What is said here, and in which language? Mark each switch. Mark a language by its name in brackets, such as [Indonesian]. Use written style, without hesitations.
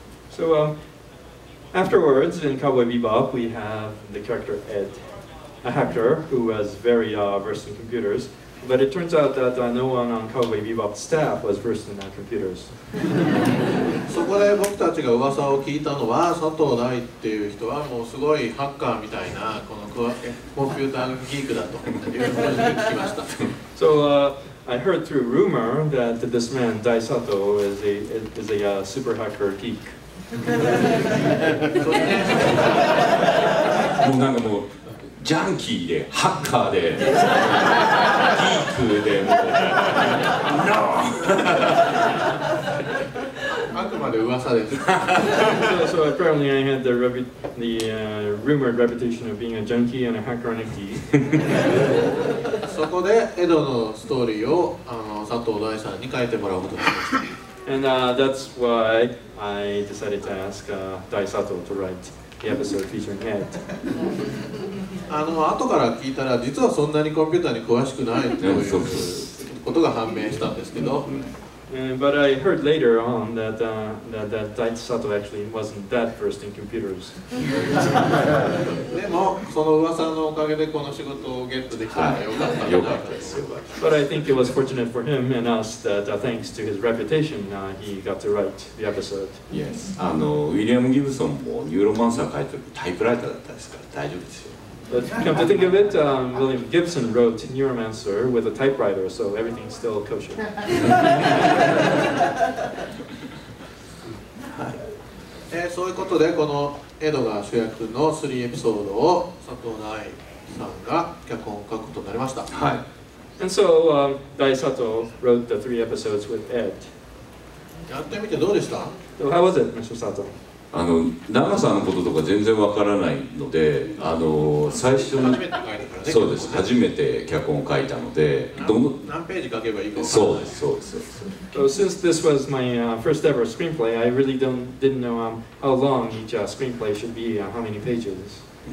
[English] So, afterwards, in Cowboy Bebop, we have the character Ed, a hacker who was very versed in computers. But it turns out that no one on Cowboy Bebop staff was versed in computers. [Japanese] そこで僕たちが噂を聞いたのは、佐藤大っていう人はもうすごいハッカーみたいな、このコンピューターギークだというふうに聞きました。 [English] So, I heard through rumor that this man, Dai Sato, is a super hacker geek. [Japanese] もうなんかもう、ジャンキーで、ハッカーで、ギークで、もう、ノ [English] そう、so apparently I had the rumored reputation of being a junkie and a hacker and a geek. [Japanese] そこでエドのストーリーを佐藤大さんに書いてもらうことになりました。 [English] And that's why I decided to ask Dai Sato to write the episode featuring Ed. [Japanese] 後から聞いたら、実はそんなにコンピューターに詳しくないということが判明したんですけど。 [English] But I heard later on that that Dai Sato actually wasn't that versed in computers. [Japanese] でもその噂のおかげでこの仕事をゲットできたのが良かったです。良かったです。 [English] But I think it was fortunate for him and us that thanks to his reputation, he got to write the episode. Yes. [Japanese] ウィリアム・ギブソンもユーロマンサー書いてるタイプライターだったですから大丈夫ですよ。 [English] But come to think of it, William Gibson wrote Neuromancer with a typewriter, so everything's still kosher. [Japanese] はい。そういうことで、このエドが主役の3エピソードを佐藤大さんが脚本を書くことになりました。はい。 [English] And so, Dai Sato wrote the 3 episodes with Ed. [Japanese] やってみてどうでした？ [English] So how was it, Mr. Sato? [Japanese] 長さのこととか全然わからないので、最初に、ね、そうです、ね、初めて脚本を書いたので、どの何ページ書けばいいか分からない。そうです。 [English] So since this was my first ever screenplay, I really didn't know how long each screenplay should be, how many pages.